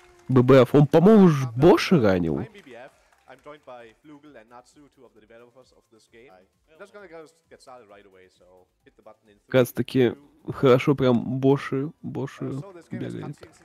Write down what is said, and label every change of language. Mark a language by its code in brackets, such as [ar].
[ru] BBF, он, по-моему, уж Боши ранил. [en] I'm joined by Flugel and Natsu, two of the developers of this game. I'm just gonna go get started right away, so hit the button in 3, 2, 1. [ru] Как раз-таки хорошо прям Боши бегает.